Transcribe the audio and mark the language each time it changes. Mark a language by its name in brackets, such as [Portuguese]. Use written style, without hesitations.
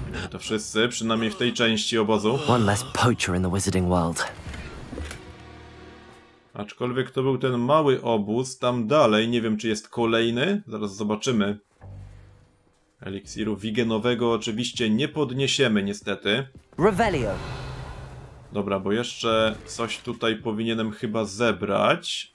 [Polish] To wszyscy, przynajmniej w tej części obozu. [English] One less poacher in the wizarding world. [Polish] Aczkolwiek to był ten mały obóz, tam dalej, nie wiem czy jest kolejny, zaraz zobaczymy. Eliksiru wigenowego oczywiście nie podniesiemy niestety. Revelio. Dobra, bo jeszcze coś tutaj powinienem chyba zebrać.